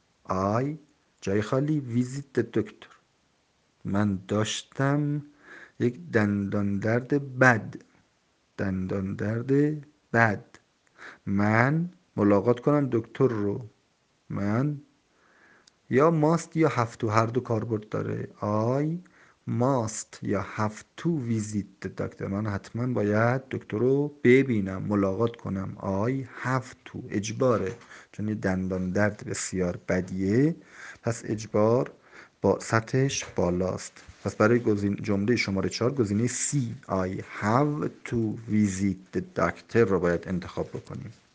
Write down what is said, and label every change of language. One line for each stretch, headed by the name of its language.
English: I
Persian: جای خالی
English: visit the doctor.
Persian: من داشتم یک دندان درد بد. دندان درد بد. من ملاقات کنم دکتر رو. من یا ماست یا هفتو، هر دو کاربرد داره.
English: I must
Persian: یا
English: have to visit the doctor.
Persian: من حتما باید دکتر رو ببینم، ملاقات کنم.
English: I have to
Persian: اجباره، چون دندان درد بسیار بدیه، پس اجبار با سطحش بالاست. پس برای جمله شماره 4 گزینه C
English: I have to visit the doctor
Persian: رو باید انتخاب بکنیم.